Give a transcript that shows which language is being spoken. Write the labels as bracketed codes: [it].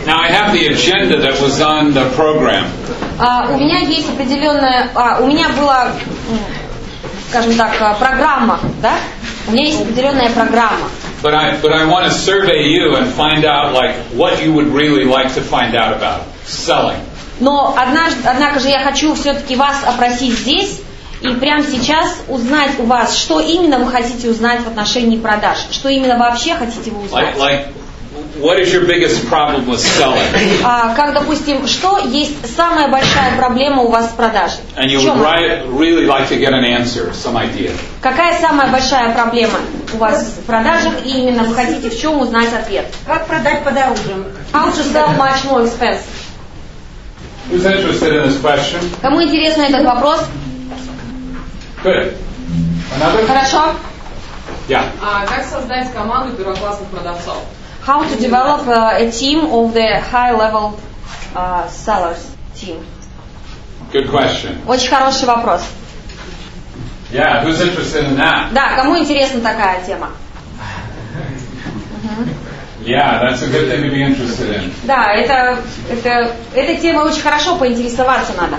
[en] Now I have the agenda that was on the program. [ru] У меня есть определенная, у меня была, скажем так, программа, да? У меня есть определенная программа. [en] But I want to survey you and find out like what you would really like to find out about selling. [ru] Но однако же я хочу все-таки вас опросить здесь и прямо сейчас узнать у вас, что именно вы хотите узнать в отношении продаж, что именно вообще хотите вы узнать. [en] Like, what is your biggest problem with selling? [ru] Как, допустим, что есть самая большая проблема у вас в продаже? [en] And you would really like to get an answer, some idea. [ru] Какая самая большая проблема у вас в продажах и именно вы хотите в чем узнать ответ? Как продать подороже? [en] How to sell much more expensive? Who's interested in this question? [ru] Кому интересен этот вопрос? [en] Good. Another? [ru] Хорошо. [en] Yeah. How to develop a team of the high-level sellers team? Good question. [ru] Очень хороший вопрос. [en] Yeah, who's interested in that? [ru] Да, кому интересна такая тема? [en] Yeah, that's a good thing to be interested in. [ru] Да, это тема очень хорошо поинтересоваться надо.